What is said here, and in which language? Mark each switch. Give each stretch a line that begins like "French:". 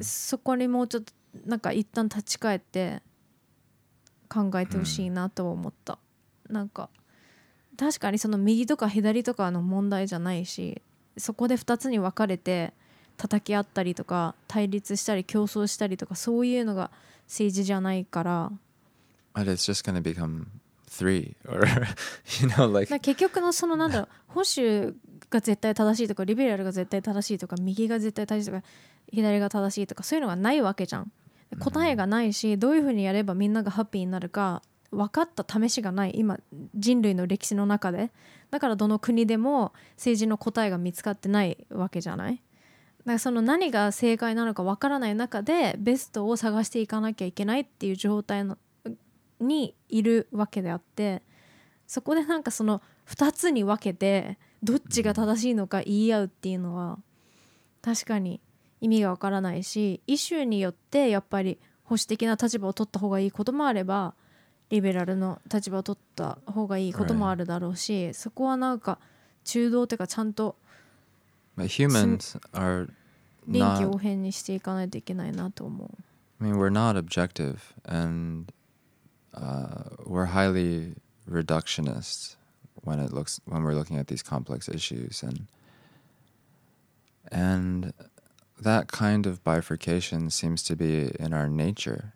Japanese: そこにもうちょっとなんか一旦立ち返って考えてほしいなと思った、うん、なんか確かにその右とか左とかの問題じゃないし、そこで2つに分かれて叩き合ったりとか対立したり競争したりとか、そういうのが政治じゃないから、
English: But it's just gonna become three or you know like
Japanese: 結局のそのなんだろう、保守が絶対正しいとかリベラルが絶対正しいとか右が絶対正しいとか左が正しいとか、そういうのがないわけじゃん、答えがないし、どういうふうにやればみんながハッピーになるか分かった試しがない今人類の歴史の中で、だからどの国でも政治の答えが見つかってないわけじゃない、だからその何が正解なのか分からない中でベストを探していかなきゃいけないっていう状態のにいるわけであって、そこでなんかその2つに分けてどっちが正しいのか言い合うっていうのは確かに意味が分からないし、イシューによってやっぱり保守的な立場を取った方がいいこともあればリベラルの立場を取った方がいいこともあるだろうし、そこはなんか中道というかちゃんと
English: humans are not
Japanese: 臨機応変にしていかないといけないなと思う。
English: I mean we're not objective andwe're highly reductionist when it looks when we're looking at these complex issues, and that kind of bifurcation seems to be in our nature.